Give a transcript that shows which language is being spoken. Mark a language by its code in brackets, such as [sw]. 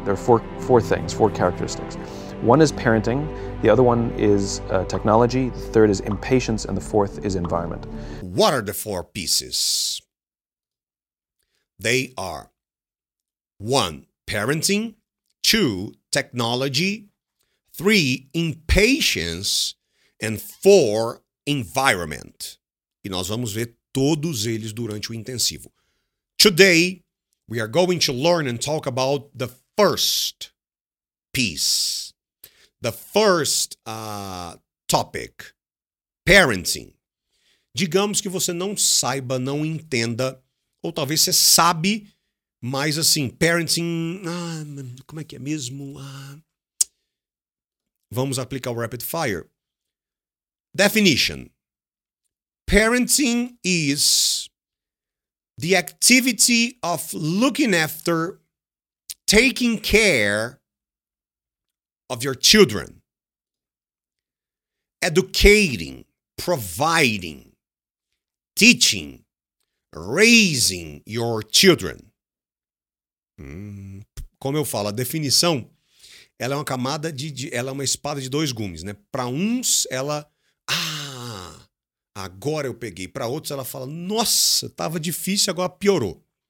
[en] There are four things, four characteristics. One is parenting, the other one is technology, the third is impatience, and the fourth is environment. What are the four pieces? They are, one, parenting, two, technology, three, impatience, and four, environment. [pt] E nós vamos ver todos eles durante o intensivo. [en] Today, we are going to learn and talk about the first piece. The first topic, parenting. [pt] Digamos que você não saiba, não entenda, ou talvez você sabe, mas assim, parenting, como é que é mesmo? Vamos aplicar o rapid fire. Definition. [en] Parenting is the activity of looking after, taking care of your children, educating, providing, teaching, raising your children. [pt] Como eu falo, a definição, ela é uma camada ela é uma espada de dois gumes, né? Para uns, ela, agora eu peguei. Para outros, ela fala, nossa, tava difícil, agora piorou.